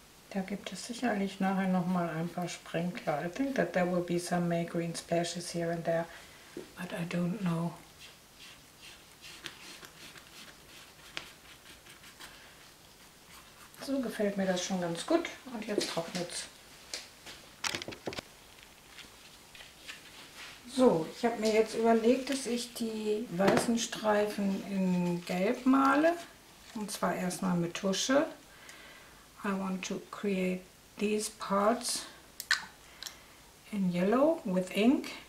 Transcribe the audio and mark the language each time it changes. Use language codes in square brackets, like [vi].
[de] Da gibt es sicherlich nachher noch mal ein paar Sprinkler. [en] I think that there will be some May Green splashes here and there, but I don't know. [de] So gefällt mir das schon ganz gut und jetzt trocknet es. So, ich habe mir jetzt überlegt, dass ich die weißen Streifen in Gelb male. Und zwar erstmal mit Tusche. [en] I want to create these parts in yellow with ink.